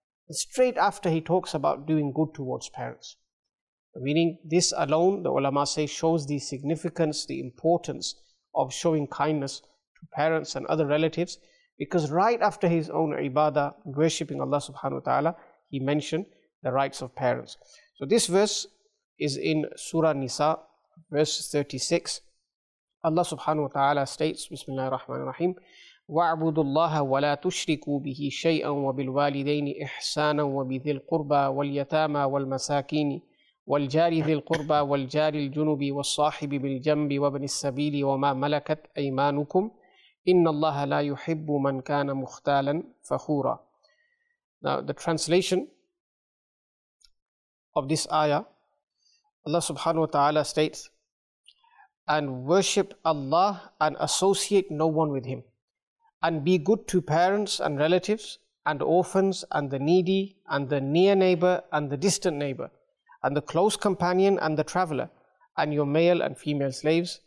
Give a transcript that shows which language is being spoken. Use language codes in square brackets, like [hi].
[en] Straight after, he talks about doing good towards parents. Meaning, this alone, the ulama say, shows the significance, the importance of showing kindness to parents and other relatives. Because right after his own ibadah, worshipping Allah subhanahu wa ta'ala, he mentioned the rights of parents. So this verse is in Surah Nisa, verse 36. Allah subhanahu wa ta'ala states, [ar] Bismillah ar-Rahman ar-Rahim, وَاعْبُدُوا اللَّهَ وَلَا تُشْرِكُوا بِهِ شَيْئًا وَبِالْوَالِدَيْنِ إِحْسَانًا وَبِذِي الْقُرْبَى وَالْيَتَامَى وَالْمَسَاكِينِ وَالْجَارِ ذِي الْقُرْبَى وَالْجَارِ الْجُنُبِ وَالصَّاحِبِ بِالْجَنْبِ وَابْنِ السَّبِيلِ وَمَا مَلَكَتْ أَيْمَانُكُمْ إِنَّ اللَّهَ لَا يُحِبُّ مَنْ كَانَ مُخْتَالًا فَخُورًا. [en] Now the translation of this ayah, Allah subhanahu wa ta'ala states, and worship Allah and associate no one with him. And be good to parents and relatives and orphans and the needy and the near neighbor and the distant neighbor and the close companion and the traveler and your male and female slaves.